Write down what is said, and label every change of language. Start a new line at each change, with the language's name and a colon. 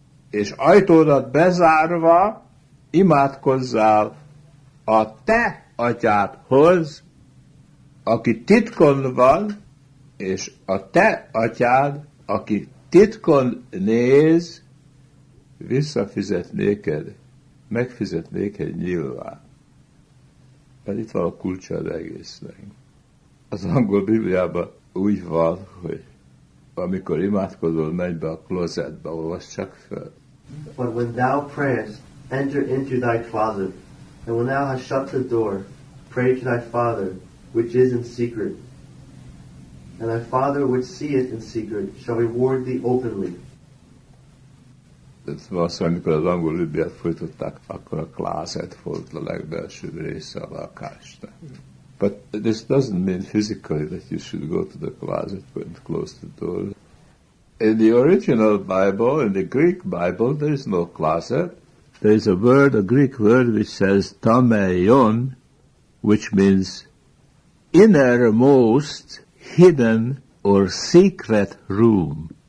Hungarian: és ajtódat bezárva imádkozzál a te atyádhoz, aki titkon van, és a te atyád, aki titkon néz, visszafizet néked, megfizet néked nyilván. Mert itt van a kulcsa az egésznek. Az angol Bibliában úgy van, hogy amikor imádkozol, menj be a klozetbe, olvasd csak föl.
English: But when thou prayest, enter into thy closet, and when thou hast shut the door, pray to thy Father, which is in secret. And thy Father, which seeth in secret, shall reward thee openly.
Hungarian: Ez valószínű, amikor az angol Bibliát folytották, akkor a klozet volt a legbelsőbb része a lakásnak.
English: But this doesn't mean physically that you should go to the closet and close the door. In the original Bible, in the Greek Bible, there is no closet. There is a word, a Greek word, which says tameion, which means innermost, hidden, or secret room.